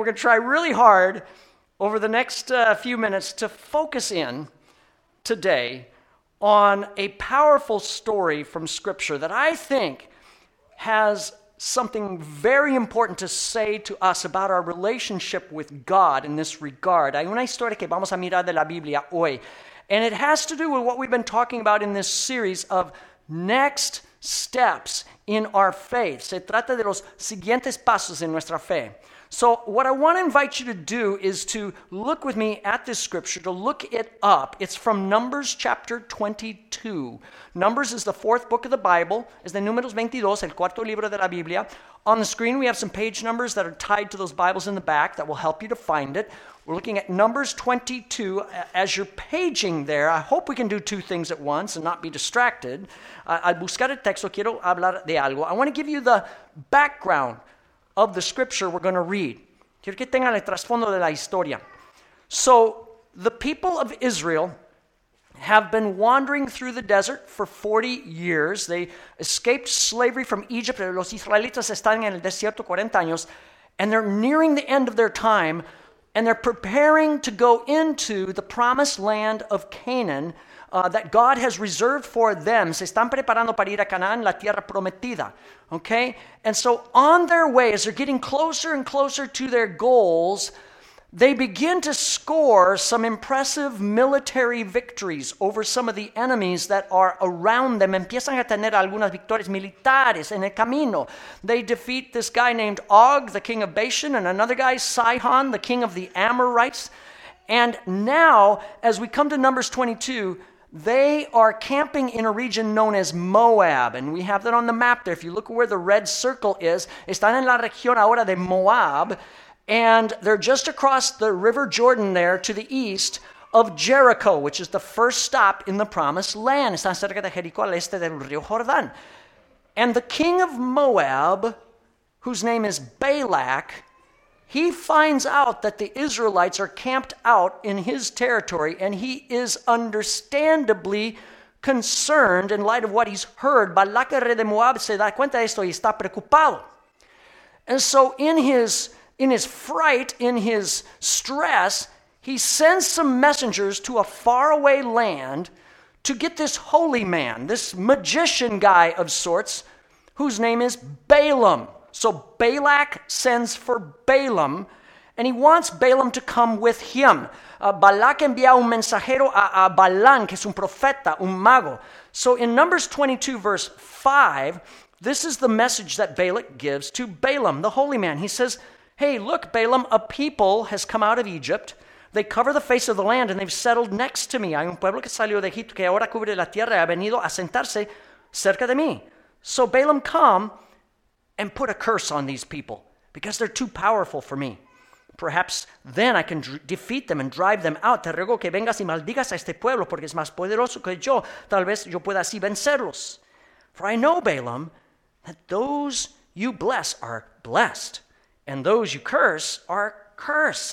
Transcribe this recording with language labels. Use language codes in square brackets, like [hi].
[en] We're going to try really hard over the next few minutes to focus in today on a powerful story from Scripture that I think has something very important to say to us about our relationship with God in this regard. [es] Hay una historia que vamos a mirar de la Biblia hoy. [en] And it has to do with what we've been talking about in this series of next steps in our faith. [es] Se trata de los siguientes pasos en nuestra fe. [en] So what I want to invite you to do is to look with me at this scripture, to look it up. It's from Numbers chapter 22. Numbers is the fourth book of the Bible. [es] Es de Números 22, el cuarto libro de la Biblia. [en] On the screen, we have some page numbers that are tied to those Bibles in the back that will help you to find it. We're looking at Numbers 22. As you're paging there, I hope we can do two things at once and not be distracted. [es] Al buscar el texto, quiero hablar de algo. [en] I want to give you the background of the scripture we're going to read. [es] Quiero que tengan el trasfondo de la historia. [en] So, the people of Israel have been wandering through the desert for 40 years. They escaped slavery from Egypt. [es] Los israelitas están en el desierto 40 años. [en] And they're nearing the end of their time. And they're preparing to go into the promised land of Canaan that God has reserved for them. [es] Se están preparando para ir a Canaán, la tierra prometida. [en] Okay? And so on their way, as they're getting closer and closer to their goals, they begin to score some impressive military victories over some of the enemies that are around them. [es] Empiezan a tener algunas victorias militares en el camino. [en] They defeat this guy named Og, the king of Bashan, and another guy, Sihon, the king of the Amorites. And now, as we come to Numbers 22, they are camping in a region known as Moab. And we have that on the map there. If you look where the red circle is, [es] están en la región ahora de Moab. [en] And they're just across the River Jordan there to the east of Jericho, which is the first stop in the Promised Land. [es] Están cerca de Jericó, al este del río Jordán. [en] And the king of Moab, whose name is Balak, he finds out that the Israelites are camped out in his territory, and he is understandably concerned in light of what he's heard. [es] Balak, el rey de Moab, se da cuenta de esto y está preocupado. [en] And so in his fright, in his stress, he sends some messengers to a faraway land to get this holy man, this magician guy of sorts, whose name is Balaam. So Balak sends for Balaam, and he wants Balaam to come with him. [es] Balak envía un mensajero a Balán, que es un profeta, un mago. [en] So in Numbers 22, verse 5, this is the message that Balak gives to Balaam, the holy man. He says, hey, look, Balaam, a people has come out of Egypt. They cover the face of the land, and they've settled next to me. [es] Hay un pueblo que salió de Egipto que ahora cubre la tierra y ha venido a sentarse cerca de mí. [en] So Balaam, come and put a curse on these people because they're too powerful for me. Perhaps then I can defeat them and drive them out. [es] Te ruego que vengas y maldigas a este pueblo porque es más poderoso que yo. Tal vez yo pueda así vencerlos. [en] For I know, Balaam, that those you bless are blessed, and those you curse are cursed.